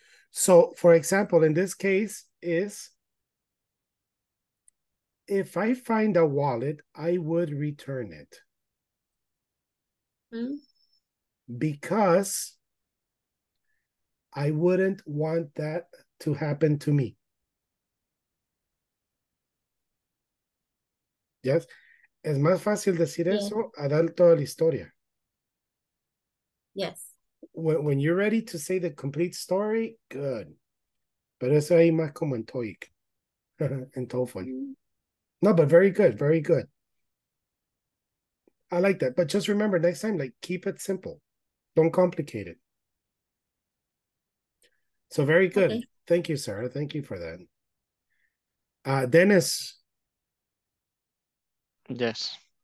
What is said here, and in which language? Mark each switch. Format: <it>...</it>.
<en>So, for example, in this case is, if I find a wallet, I would return it. Mm-hmm. Because I wouldn't want that to happen to me.</en> <es>Yes, es más fácil decir eso a dar toda la historia.</es> <en>Yes. When you're ready to say the complete story, good.</en> <es>Pero eso ahí más como en TOEIC, en TOEFL.</es> <en>No, but very good, very good. I like that. But just remember next time, like, keep it simple. Don't complicate it. So very good. Okay. Thank you, Sarah. Thank you for that. Dennis. Yes.</en>